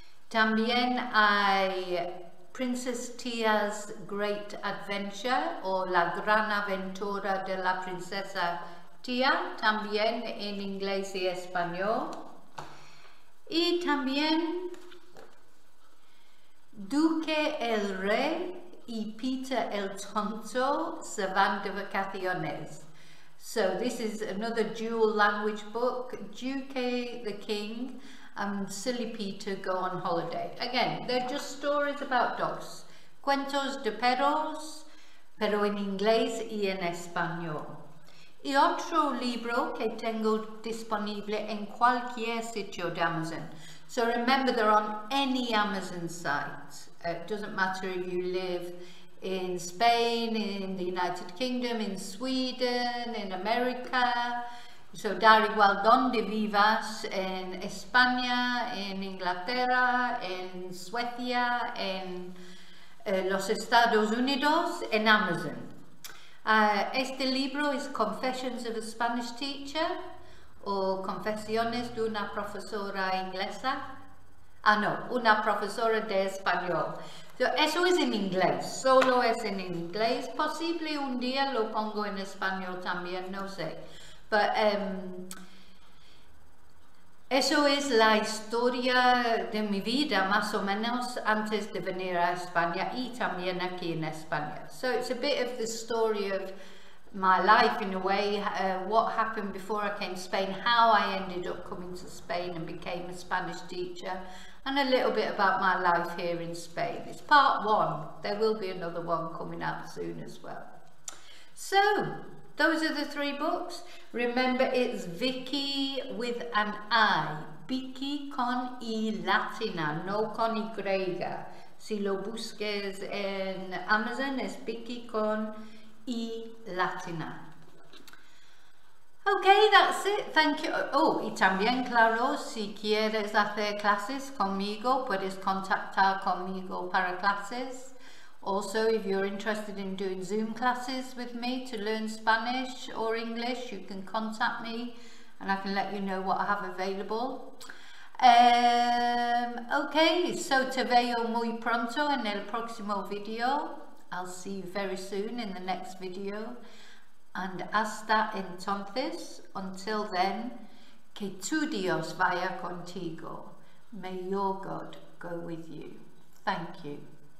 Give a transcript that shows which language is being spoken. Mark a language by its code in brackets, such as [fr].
[es] También hay Princess Tia's Great Adventure or La Gran Aventura de la Princesa Tia, también en inglés y español. Y también Duque el Rey y Peter el Tonto se van de vacaciones. [en] So this is another dual language book. Duque the King and Silly Peter go on holiday. Again, they're just stories about dogs. [es] Cuentos de perros, pero en inglés y en español. Y otro libro que tengo disponible en cualquier sitio de Amazon. [en] So remember, they're on any Amazon site. It doesn't matter if you live in Spain, in the United Kingdom, in Sweden, in America. [es] So dar igual donde vivas, en España, en Inglaterra, en Suecia, en los Estados Unidos, en Amazon. Este libro es Confessions of a Spanish Teacher o Confesiones de una Profesora Inglesa. Ah, no, una Profesora de Español. So, eso es en inglés, solo es en inglés. Posible un día lo pongo en español también, no sé. [en] But [es] Eso es la historia de mi vida, más o menos, antes de venir a España y también aquí en España. [en] So it's a bit of the story of my life, in a way, what happened before I came to Spain, how I ended up coming to Spain and became a Spanish teacher, and a little bit about my life here in Spain. It's part one. There will be another one coming out soon as well. So, those are the three books. Remember, it's Vicki with an I. [es] Vicki con I latina, no con I griega. Si lo busques en Amazon, es Vicki con I latina. [en] Okay, that's it. Thank you. [es] Oh, y también, claro, si quieres hacer clases conmigo, puedes contactar conmigo para clases. [en] Also, if you're interested in doing Zoom classes with me to learn Spanish or English, you can contact me and I can let you know what I have available. [es] Okay, so te veo muy pronto en el próximo video. [en] I'll see you very soon in the next video. And [es] hasta entonces, [en] until then, [es] que tu Dios vaya contigo. [en] May your God go with you. Thank you.